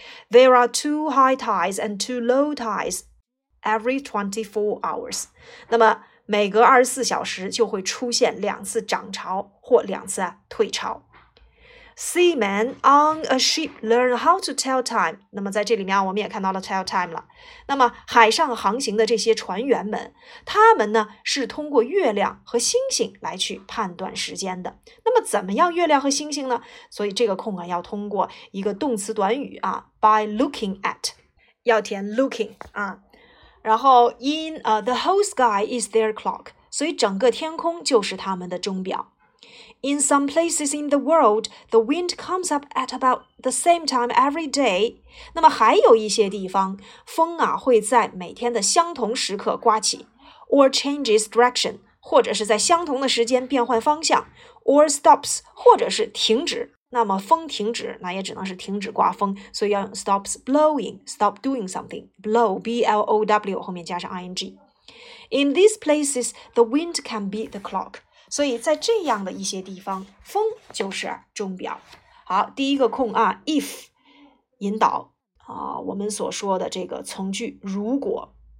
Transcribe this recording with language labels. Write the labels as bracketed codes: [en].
[en] There are two high tides and two low tides every 24 hours. [zh] 那么每隔24小时就会出现两次涨潮或两次退潮。 [en] Seamen on a ship learn how to tell time. [zh] 那么在这里面我们也看到了 [en] tell time [zh] 了。那么海上航行的这些船员们，他们呢是通过月亮和星星来去判断时间的。那么怎么样月亮和星星呢？所以这个空啊要通过一个动词短语啊 [en] by looking at， [zh] 要填 looking 啊。然后 [en] in the whole sky is their clock， [zh] 所以整个天空就是他们的钟表。 [en] In some places in the world, the wind comes up at about the same time every day. [zh] 那么还有一些地方，风啊会在每天的相同时刻刮起 ， [en] or changes direction， [zh] 或者是在相同的时间变换方向 ， [en] or stops， [zh] 或者是停止。那么风停止，那也只能是停止刮风，所以要用 [en] stops blowing， stop doing something， [zh] blow b l o w 后面加上 i n g。 [en] In these places, the wind can beat the clock. [zh] 所以在这样的一些地方，风就是钟表。好，第一个空啊 ，if 引导啊，我们所说的这个从句如果。